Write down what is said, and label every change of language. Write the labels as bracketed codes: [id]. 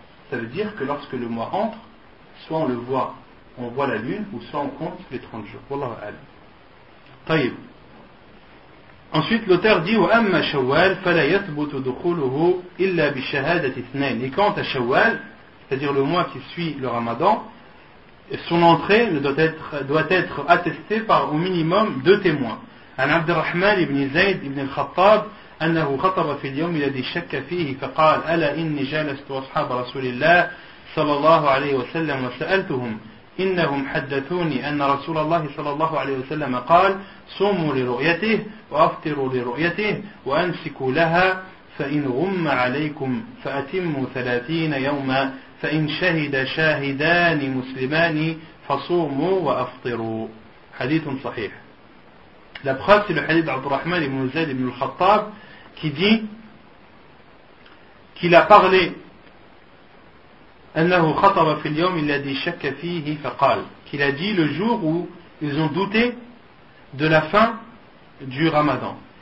[fr] Ça veut dire que lorsque le mois entre, soit on le voit, on voit la lune, ou soit on compte les 30 jours. [ar] Wallahu a'lam. Tayyib. [fr] Ensuite, l'auteur dit « [ar] وَأَمَّا شَوَّالْ فَلَا يَثْبُتُ دُخُولُهُ إِلَّا بِشَهَادَةِ اثْنَيْنِ [fr] » Et quant à شَوَّالْ, c'est-à-dire le mois qui suit le ramadan, son entrée doit être attestée par au minimum deux témoins. [ar] عن عبد الرحمن بن زيد بن الخطاب أنه خطب في اليوم الذي شك فيه فقال ألا إني جالست أصحاب رسول الله صلى الله عليه وسلم وسألتهم إنهم حدثوني أن رسول الله صلى الله عليه وسلم قال صوموا لرؤيته وأفطروا لرؤيته وأمسكوا لها فإن غم عليكم فأتموا 30 يوما فإن شهد شاهدان مسلمان فصوموا وأفطروا حديث صحيح. [fr] La preuve, c'est le hadith d'Abdurrahman ibn Zayd ibn al-Khattab qui dit qu'il a parlé [ar] أَنَّهُ خَطَبَ فِي الْيَوْمِ الَّذِي شَكَّ فِيهِ فَقَالَ [fr] qu'il a dit le jour où ils ont douté de la fin du ramadan.